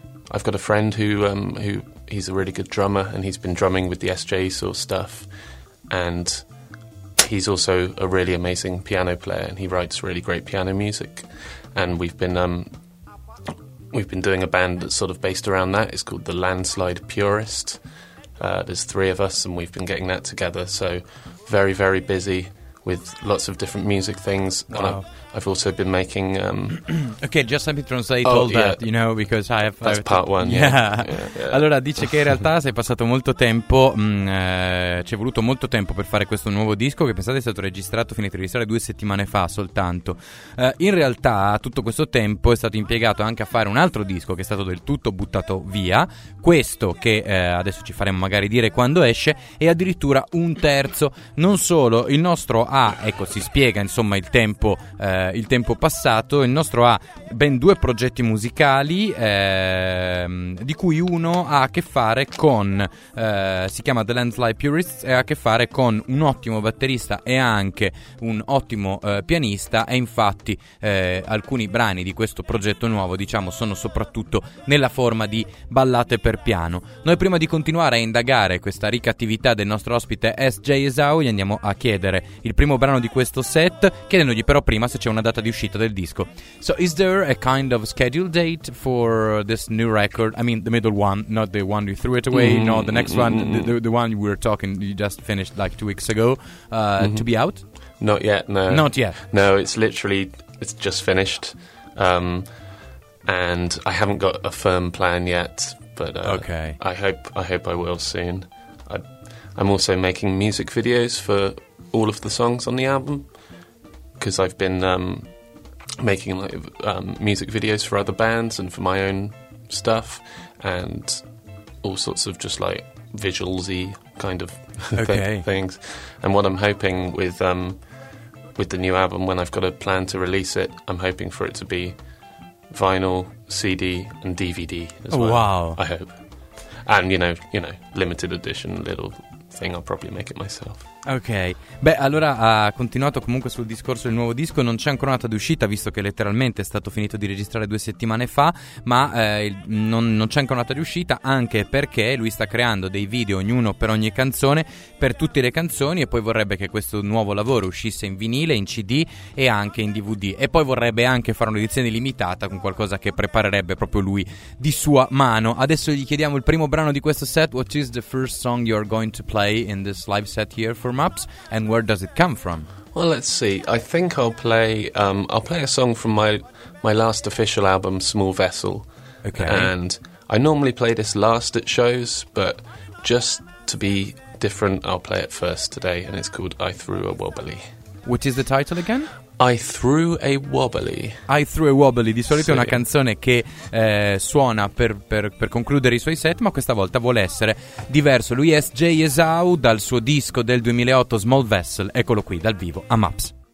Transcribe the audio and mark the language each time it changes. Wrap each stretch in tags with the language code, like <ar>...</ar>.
<en>I've got a friend who he's a really good drummer, and he's been drumming with the SJ sort of stuff, and he's also a really amazing piano player, and he writes really great piano music, and we've been doing a band that's sort of based around that. It's called the Landslide Purist. There's three of us, and we've been getting that together, so very, very busy with lots of different music things. Wow. And I've also been making okay, just let me translate that, you know, because I have that's part one.</en> <it>Allora dice che in realtà sei passato molto tempo, ci è voluto molto tempo per fare questo nuovo disco, che pensate è stato registrato, finito di registrare 2 settimane fa soltanto. In realtà tutto questo tempo è stato impiegato anche a fare un altro disco che è stato del tutto buttato via, questo che adesso ci faremo magari dire quando esce, e addirittura un terzo. Non solo il nostro ecco, si spiega insomma il tempo passato. Il nostro ha ben 2 progetti musicali, di cui uno ha a che fare con si chiama The Landslide Purists, e ha a che fare con un ottimo batterista e anche un ottimo pianista, e infatti alcuni brani di questo progetto nuovo, diciamo, sono soprattutto nella forma di ballate per piano. Noi, prima di continuare a indagare questa ricca attività del nostro ospite SJ Esau, gli andiamo a chiedere il primo brano di questo set, chiedendogli però prima se c'è una data di uscita del disco.</it> <en>So is there a kind of schedule date for this new record? I mean the middle one, not the one you threw it away, no, the next one, the one we were talking, you just finished like 2 weeks ago, to be out? Not yet, no. Not yet. No, it's just finished, and I haven't got a firm plan yet, but okay. I hope I will soon. I'm also making music videos for all of the songs on the album, because I've been making music videos for other bands and for my own stuff, and all sorts of just like visualsy kind of things. And what I'm hoping with the new album, when I've got a plan to release it, I'm hoping for it to be vinyl, CD, and DVD as well. Wow! I hope, and you know, limited edition little thing, I'll probably make it myself.</en> <it>Ok, beh, allora ha continuato comunque sul discorso del nuovo disco. Non c'è ancora una data d'uscita, visto che letteralmente è stato finito di registrare 2 settimane fa. Ma non c'è ancora una data d'uscita, anche perché lui sta creando dei video, ognuno per ogni canzone, per tutte le canzoni. E poi vorrebbe che questo nuovo lavoro uscisse in vinile, in CD e anche in DVD. E poi vorrebbe anche fare un'edizione limitata con qualcosa che preparerebbe proprio lui di sua mano. Adesso gli chiediamo il primo brano di questo set.</it> <en>What is the first song you're going to play in this live set here for Maps, and where does it come from? Well, let's see. I think I'll play a song from my last official album, Small Vessel. Okay. And I normally play this last at shows, but just to be different, I'll play it first today, and it's called I Threw a Wobbly. What is the title again? I Threw a Wobbly.</en> <it>I Threw a Wobbly, di solito sì. È una canzone che suona per concludere i suoi set, ma questa volta vuole essere diverso. Lui è S.J. Esau, dal suo disco del 2008 Small Vessel. Eccolo qui, dal vivo, a MAPS.</it>